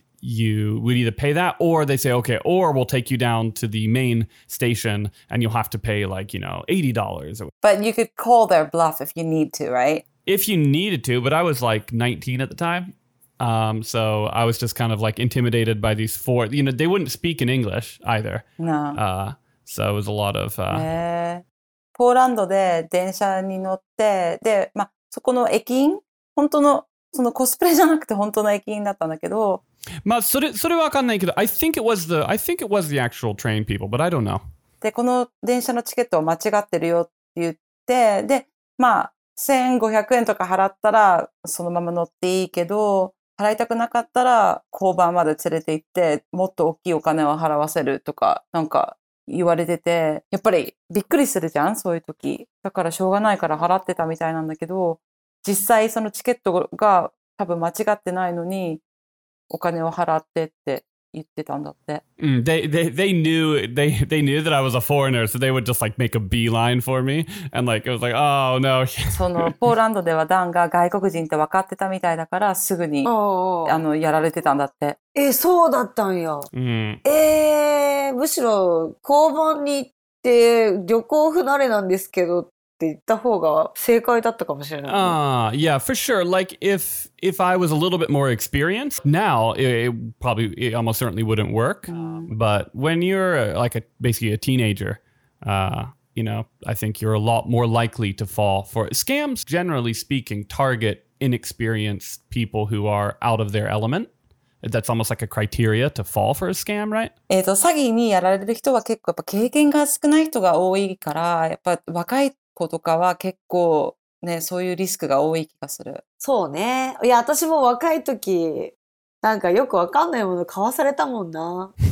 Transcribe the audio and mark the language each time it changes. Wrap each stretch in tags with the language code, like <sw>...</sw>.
<en>You would either pay that or they say, okay, or we'll take you down to the main station and you'll have to pay like, you know, $80. But you could call their bluff if you need to, right? If you needed to, but I was like 19 at the time. So I was just kind of like intimidated by these four, you know, they wouldn't speak in English either. No. So it was a lot of...</en> <ja>ポーランドで電車に乗って、で、まあ、そこの駅員、本当の、そのコスプレじゃなくて本当の駅員だったんだけど。まあ、それはわかんないけど、</ja> <en>I think it was the actual train people, but I don't know.</en> <ja>で、この電車のチケットは間違ってるよって言って、で、まあ、1500円とか払ったらそのまま乗っていいけど、払いたくなかったら交番まで連れて行って、もっと大きいお金を払わせるとか、なんか、言われてて、やっぱりびっくりするじゃん、そういう時。だからしょうがないから払ってたみたいなんだけど、実際そのチケットが多分間違ってないのに、お金を払ってって言ってたんだって。</ja> <en>Mm, they knew that I was a foreigner, so they would just like make a beeline for me. And like, it was like, oh no.</en> <ja>そのポーランドではダンが外国人って分かってたみたいだから、すぐに、あの、やられてたんだって。え、そうだったんや。うん。むしろ交番に行って旅行不慣れなんですけどって言った方が正解だったかもしれない。</ja> <en>Yeah, for sure. Like, if I was a little bit more experienced now, it almost certainly wouldn't work. But when you're like basically a teenager, you know, I think you're a lot more likely to fall for it. Scams, generally speaking, target inexperienced people who are out of their element. That's almost like a criteria to fall for a scam, right?</en> <ja>詐欺にやられる人は結構やっぱ経験が少ない人が多いから、やっぱ若い子とかは結構ね、そういうリスクが多い気がする。そうね。いや、私も若い時、なんかよくわかんないもの買わされたもんな。</ja>